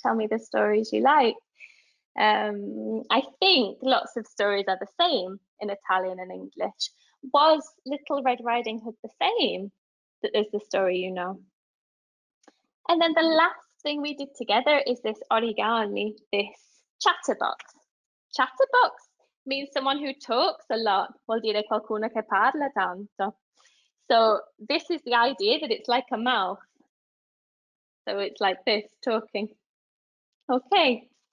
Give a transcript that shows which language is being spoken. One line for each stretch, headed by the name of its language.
English: Tell me the stories you like. I think lots of stories are the same in Italian and English. Was Little Red Riding Hood the same as the story you know? And then the last thing we did together is this origami, this chatterbox. Chatterbox means someone who talks a lot.
Italian: Vuol dire qualcuno che parla tanto.
English: So this is the idea that it's like a mouth. So it's like this, talking. Okay,